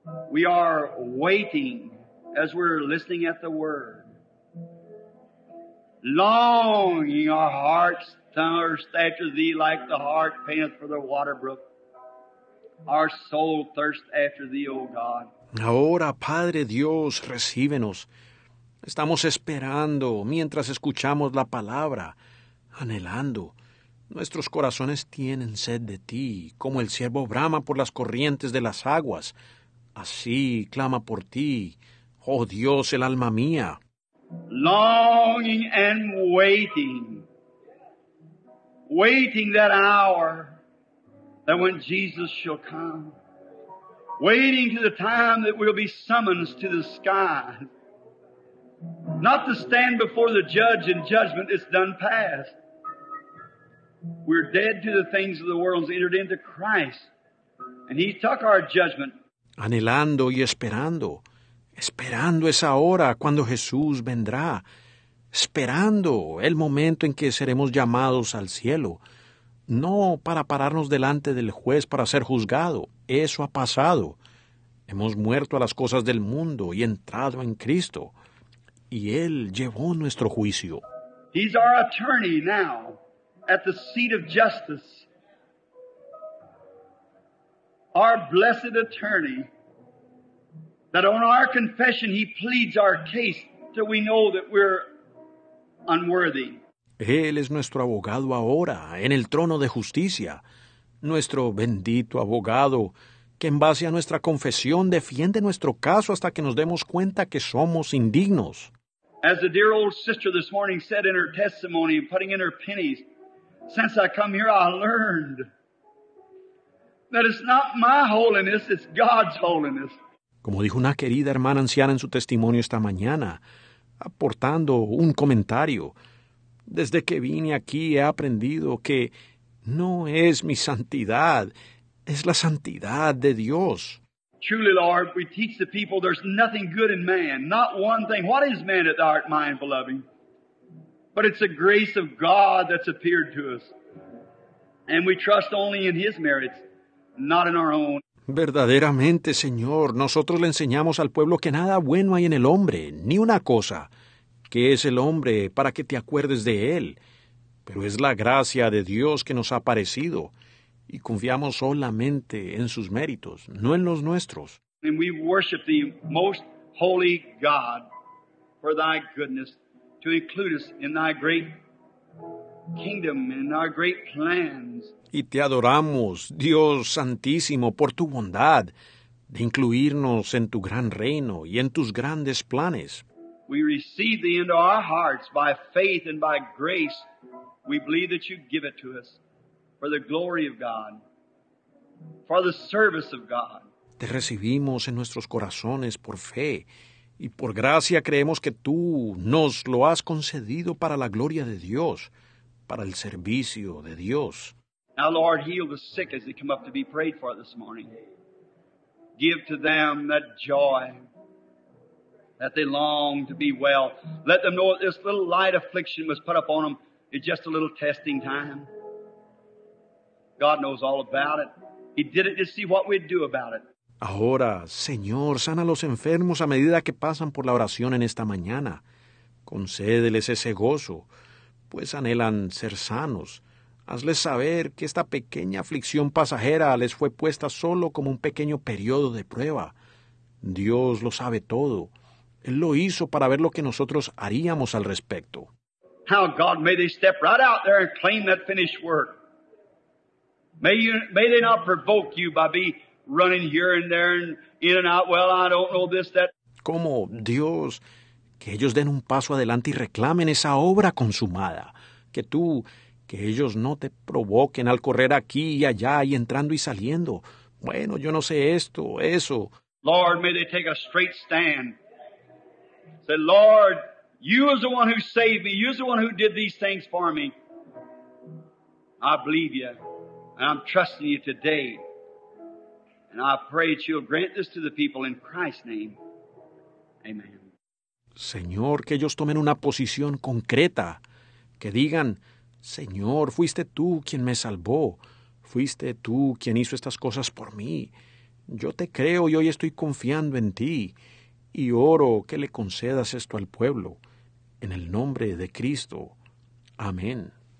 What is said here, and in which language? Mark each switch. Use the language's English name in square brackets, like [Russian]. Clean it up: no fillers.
[English] We are waiting as we're listening at the word. Longing our hearts thirst after thee like the hart panteth for the water brook. Our soul thirsts after thee, O God. [Spanish] Ahora, Padre Dios, recíbenos. Estamos esperando mientras escuchamos la palabra, anhelando. Nuestros corazones tienen sed de ti, como el ciervo brama por las corrientes de las aguas. Así clama por ti, oh Dios, el alma mía. [English] Longing and waiting. Waiting that hour that when Jesus shall come. Waiting to the time that we'll be summoned to the sky. Not to stand before the judge in judgment, it's done past. We're dead to the things of the world, entered into Christ, and he took our judgment. [Spanish] Anhelando y esperando, esperando esa hora cuando Jesús vendrá, esperando el momento en que seremos llamados al cielo, no para pararnos delante del juez para ser juzgado. Eso ha pasado. Hemos muerto a las cosas del mundo y entrado en Cristo, y él llevó nuestro juicio. [English] He's our attorney now. At the seat of justice, our blessed attorney, that on our confession he pleads our case till we know that we're unworthy. [Spanish] Él es nuestro abogado ahora en el trono de justicia, nuestro bendito abogado, que en base a nuestra confesión defiende nuestro caso hasta que nos demos cuenta que somos indignos. [English] As the dear old sister this morning said in her testimony, putting in her pennies, since I come here, I learned that it's not my holiness, it's God's holiness. [Spanish] Como dijo una querida hermana anciana en su testimonio esta mañana, aportando un comentario, desde que vine aquí he aprendido que no es mi santidad, es la santidad de Dios. [English] Truly, Lord, we teach the people there's nothing good in man, not one thing. What is man that thou art mindful of him? But it's the grace of God that's appeared to us. And we trust only in his merits, not in our own. [Spanish] Verdaderamente, Señor, nosotros le enseñamos al pueblo que nada bueno hay en el hombre, ni una cosa. ¿Qué es el hombre para que te acuerdes de él? pero es la gracia de Dios que nos ha aparecido, y confiamos solamente en sus méritos, no en los nuestros. [English] And we worship thee, most holy God, for thy goodness, to include us in thy great kingdom and our great plans. [Spanish] Y te adoramos, Dios Santísimo, por tu bondad de incluirnos en tu gran reino y en tus grandes planes. [English] We receive thee into our hearts by faith and by grace. We believe that you give it to us for the glory of God, for the service of God. [Spanish] Te recibimos en nuestros corazones por fe, y por gracia creemos que tú nos lo has concedido para la gloria de Dios, para el servicio de Dios. [English] Now, Lord, heal the sick as they come up to be prayed for this morning. Give to them that joy that they long to be well. Let them know that this little light affliction was put upon them is just a little testing time. God knows all about it. He did it to see what we'd do about it. [Spanish] Ahora, Señor, sana a los enfermos a medida que pasan por la oración en esta mañana. Concédeles ese gozo, pues anhelan ser sanos. Hazles saber que esta pequeña aflicción pasajera les fue puesta solo como un pequeño periodo de prueba. Dios lo sabe todo. Él lo hizo para ver lo que nosotros haríamos al respecto. [English] Now, God, may they step right out there and claim that finished work. May they not provoke you by being running here and there and in and out. Well, I don't know this, that. [Spanish] ¿Cómo, Dios, que ellos den un paso adelante y reclamen esa obra consumada? Que tú, que ellos no te provoquen al correr aquí y allá y entrando y saliendo. Bueno, yo no sé esto, eso. [English] Lord, may they take a straight stand. Say, Lord, you are the one who saved me. You are the one who did these things for me. I believe you. And I'm trusting you today. And I pray that you'll grant this to the people in Christ's name. Amen. [Spanish] Señor, que ellos tomen una posición concreta. Que digan, Señor, fuiste tú quien me salvó. Fuiste tú quien hizo estas cosas por mí. Yo te creo y hoy estoy confiando en ti. Y oro que le concedas esto al pueblo. En el nombre de Cristo. Amén.